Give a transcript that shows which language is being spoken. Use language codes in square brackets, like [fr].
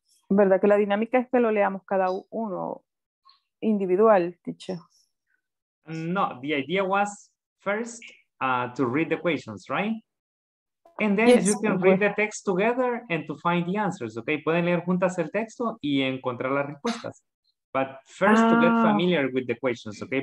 [es] ¿Verdad que la dinámica es que lo leamos cada uno individual, teacher? [en] No, the idea was first to read the questions, right? And then yes, you can read the text together and to find the answers, okay? [es] Pueden leer juntas el texto y encontrar las respuestas. [en] But first to get familiar with the questions, okay?